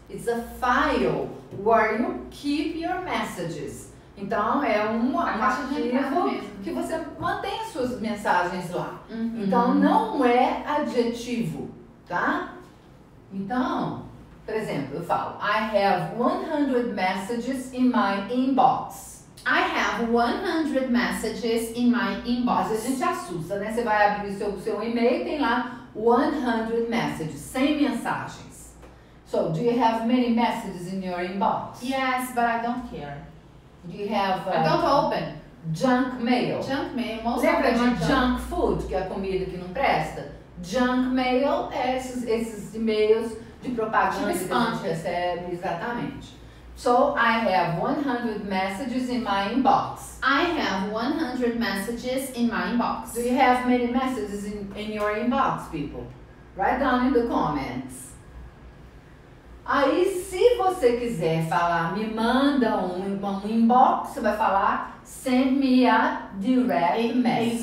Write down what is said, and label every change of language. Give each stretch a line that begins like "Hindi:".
English: It's a file where you keep your messages.
Portuguese: Então, é um adjetivo que você mantém as suas mensagens lá. Uhum. Então, não é adjetivo, tá? Então, por exemplo, eu falo,
English: I have 100 messages in my inbox. I have 100 messages in my inbox.
Portuguese: Às vezes a gente assusta, né? Você vai abrir seu e-mail e tem lá 100 messages, 100 mensagens.
English: So, do you have many messages in your inbox? Yes, but I don't care. Do you have... I don't open. Junk mail. Junk mail, most of them.
Portuguese: Lembra de junk food, que é a comida que não presta? Junk mail é esses e-mails de propaganda que a gente recebe, exatamente.
English: So, I have 100 messages in my inbox. I have 100 messages in my inbox. Do you have many messages in your inbox, people? Write down in the comments.
Portuguese: Aí, se você quiser falar, me manda um inbox, você vai falar,
English: send me a direct message.